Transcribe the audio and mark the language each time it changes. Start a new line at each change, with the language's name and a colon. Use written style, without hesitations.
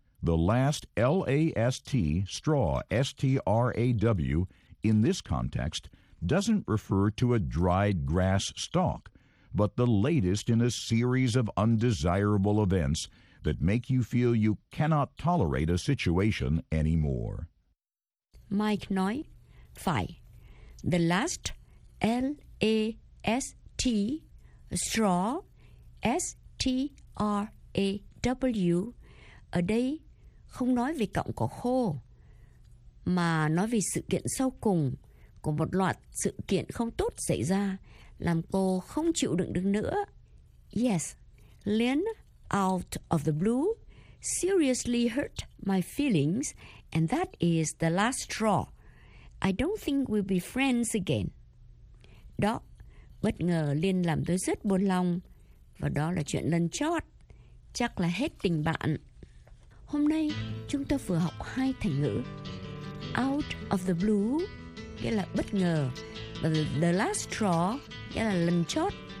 English: The last L-A-S-T, straw, S-T-R-A-W, in this context, doesn't refer to a dried grass stalk, but the latest in a series of undesirable events that make you feel you cannot tolerate a situation anymore.
Vietnamese: Mike nói, phải. The last L-A-S-T, straw, S-T-R-A-W, ở đây không nói về cọng cỏ khô, mà nói về sự kiện sau cùng của một loạt sự kiện không tốt xảy ra, làm cô không chịu đựng được nữa.
English: Yes, Lynn, out of the blue, seriously hurt my feelings, and that is the last straw. I don't think we'll be friends again.
Vietnamese: Đó, bất ngờ Lynn làm tôi rất buồn lòng, và đó là chuyện lần chót. Chắc là hết tình bạn. Hôm nay, chúng ta vừa học hai thành ngữ. Out of the blue, nghĩa là bất ngờ. Và the last straw, nghĩa là lần chót.